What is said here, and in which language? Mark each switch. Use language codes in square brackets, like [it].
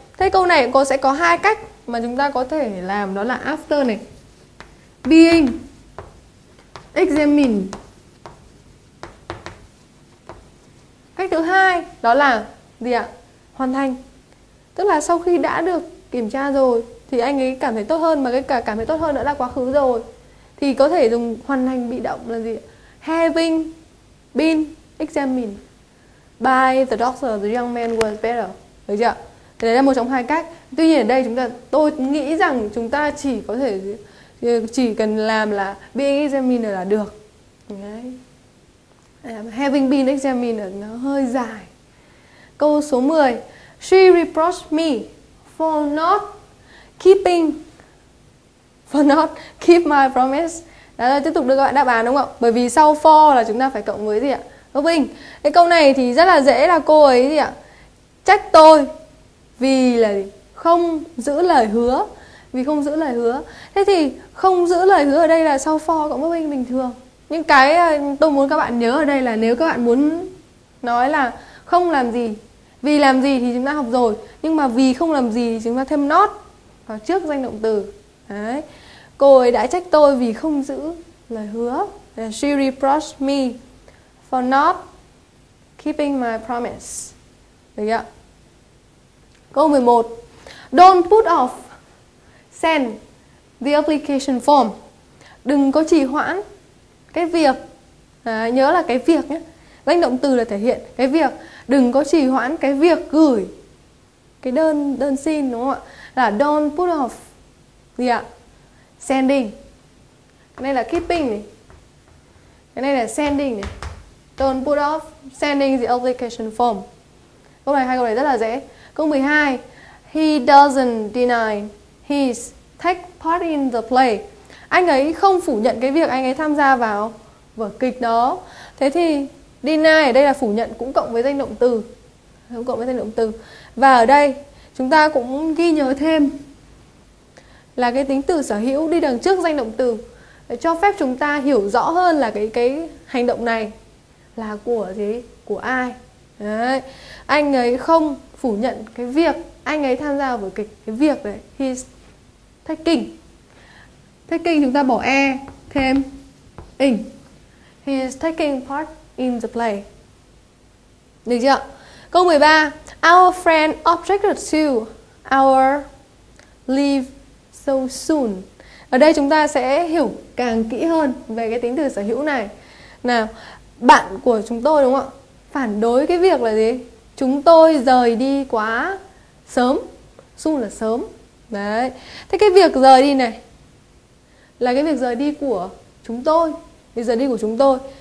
[vi] Thế câu này cũng sẽ có hai cách mà chúng ta có thể làm, đó là after này, [en] being examined. [vi] Cách thứ hai đó là gì ạ? Hoàn thành, tức là sau khi đã được kiểm tra rồi thì anh ấy cảm thấy tốt hơn, mà cái cả cảm thấy tốt hơn đã là quá khứ rồi thì có thể dùng hoàn thành bị động là gì? [en] Having been examined by the doctor, the young man was better. [vi] Được chưa? Thì đấy là một trong hai cách. Tuy nhiên ở đây chúng ta, tôi nghĩ rằng chúng ta chỉ có thể chỉ cần làm là [en] being examined [vi] là được. Đấy. [en] Having been examined [vi] nó hơi dài. Câu số 10. [en] She reproached me for not keeping, for not keep my promise. [vi] Đó là tiếp tục đưa các bạn đáp án, đúng không ạ? Bởi vì sau for là chúng ta phải cộng với gì ạ? Verb in. Cái câu này thì rất là dễ, là cô ấy gì ạ? Trách tôi vì là không giữ lời hứa. Vì không giữ lời hứa. Thế thì không giữ lời hứa ở đây là sau for cộng verb in bình thường. Nhưng cái tôi muốn các bạn nhớ ở đây là nếu các bạn muốn nói là không làm gì, vì làm gì thì chúng ta học rồi, nhưng mà vì không làm gì thì chúng ta thêm not vào trước danh động từ. Đấy. Cô ấy đã trách tôi vì không giữ lời hứa. [en] She reproached me for not keeping my promise. [vi] Được chưa? Câu 11. [en] Don't put off send the application form. [vi] Đừng có trì hoãn cái việc. Đấy, nhớ là cái việc nhé. Danh động từ là thể hiện cái việc. Đừng có trì hoãn cái việc gửi cái đơn xin, đúng không ạ? Là [en] don't put off [vi] gì ạ? Sending. Cái này là keeping này. Cái này là sending này. [en] Don't put off sending the application form. [vi] Câu này, hai câu này rất là dễ. Câu 12. [en] He doesn't deny his take part in the play. [vi] Anh ấy không phủ nhận cái việc anh ấy tham gia vào vở kịch đó. Thế thì deny ở đây là phủ nhận, cũng cộng với danh động từ. Cũng cộng với danh động từ. Và ở đây chúng ta cũng ghi nhớ thêm là cái tính từ sở hữu đi đằng trước danh động từ để cho phép chúng ta hiểu rõ hơn là cái hành động này là của gì, của ai. Đấy. Anh ấy không phủ nhận cái việc anh ấy tham gia vở kịch, cái việc đấy, [en] he's taking. [vi] Taking chúng ta bỏ e thêm in. [en] He is taking part in the play. [vi] Được chưa? Câu 13. [en] Our friend objected to our leave so soon. [vi] Ở đây chúng ta sẽ hiểu càng kỹ hơn về cái tính từ sở hữu này. Nào, bạn của chúng tôi đúng không ạ? Phản đối cái việc là gì? Chúng tôi rời đi quá sớm. Soon là sớm. Đấy. Thế cái việc rời đi này là cái việc rời đi của chúng tôi. Việc rời đi của chúng tôi.